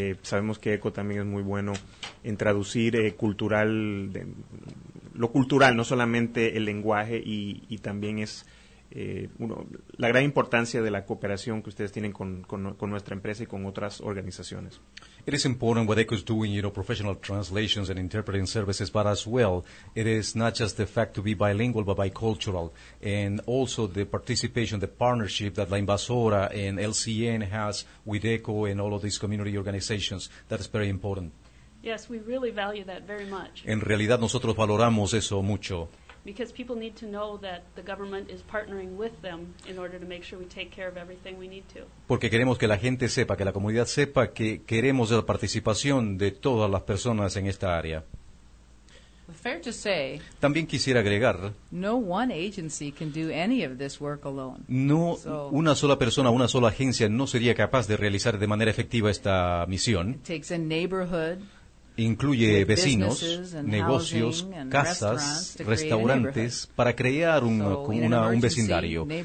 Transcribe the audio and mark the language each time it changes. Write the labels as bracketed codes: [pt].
[es] Sabemos que ECHO también es muy bueno en traducir lo cultural, no solamente el lenguaje, y también es la gran importancia de la cooperación que ustedes tienen con nuestra empresa y con otras organizaciones. [en] It is important what ECHO is doing, you know, professional translations and interpreting services, but as well, it is not just the fact to be bilingual, but bicultural, and also the participation, the partnership that La Invasora and LCN has with ECHO and all of these community organizations. That is very important. Yes, we really value that very much. [es] En realidad, nosotros valoramos eso mucho. [en] Because people need to know that the government is partnering with them in order to make sure we take care of everything we need to. [es] Porque queremos que la gente sepa, que la comunidad sepa que queremos la participación de todas las personas en esta área. [en] Fair to say, [es] también quisiera agregar, [en] no one agency can do any of this work alone. [es] No, so, una sola persona, una sola agencia no sería capaz de realizar de manera efectiva esta misión. [en] It takes a neighborhood. [es] Incluye vecinos, negocios, casas, restaurantes, para crear un vecindario.